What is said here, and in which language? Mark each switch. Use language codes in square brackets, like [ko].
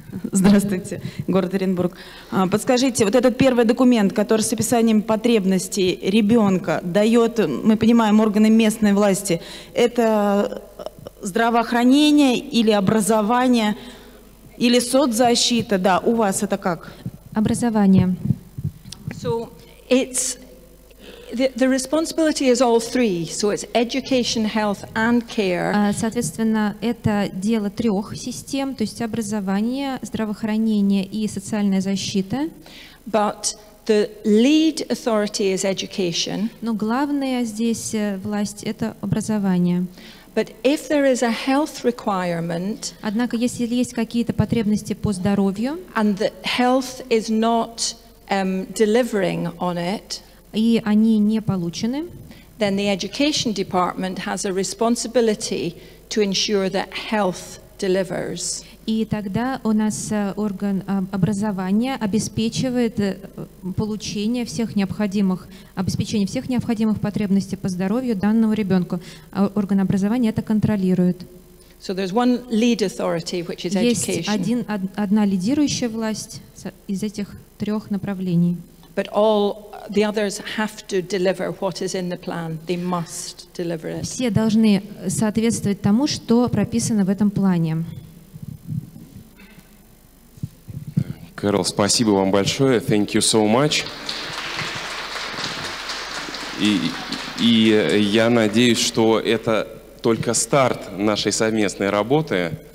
[ru] Здравствуйте, город Оренбург. Подскажите, вот этот первый документ, который с описанием потребностей ребенка дает, мы понимаем, органы местной власти, это здравоохранение или образование, или соцзащита, да, у вас это как? Образование. [en] So, it's, the responsibility is all three, so it's education, health and care. [ru] Соответственно, это дело трех систем, то есть образование, здравоохранение и социальная защита. [en] But the lead authority is education. [ru] Но главная здесь власть — это образование. [en] But if there is a health requirement, [ru] однако если есть какие-то потребности по здоровью, [en] and the health is not delivering on it, [ru] и они не получены, [en] then the education department has a responsibility to ensure that health delivers. [ru] И тогда у нас орган образования обеспечивает получение всех необходимых, обеспечение всех необходимых потребностей по здоровью данного ребенка. Орган образования это контролирует. [en] So there's one lead authority, which is education. [ru] Есть одна лидирующая власть из этих трех направлений. [en] But all the others have to deliver what is in the plan. They must deliver it. [ru] Все должны соответствовать тому, что прописано в этом плане. Кэрол, спасибо вам большое. [en] Thank you so much. [ru] И я надеюсь, что это только старт нашей совместной работы.